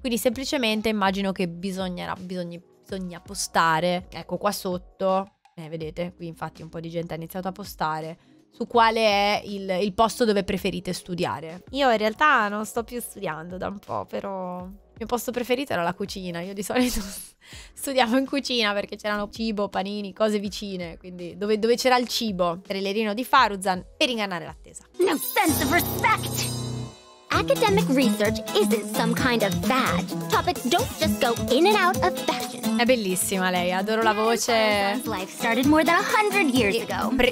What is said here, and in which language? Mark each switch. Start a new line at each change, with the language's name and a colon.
Italian: Quindi semplicemente immagino che bisogna postare, ecco qua sotto, vedete, qui infatti un po' di gente ha iniziato a postare, su quale è il posto dove preferite studiare. Io in realtà non sto più studiando da un po', però il mio posto preferito era la cucina. Io di solito studiavo in cucina perché c'erano cibo, panini, cose vicine, quindi dove c'era il cibo. Trailerino di Faruzan per ingannare l'attesa.
English: No sense of respect! Academic research isn't some kind of badge. Topics don't just go in and out of fashion.
Italian: È bellissima lei, adoro la voce.
English: Life started more than 100 years ago.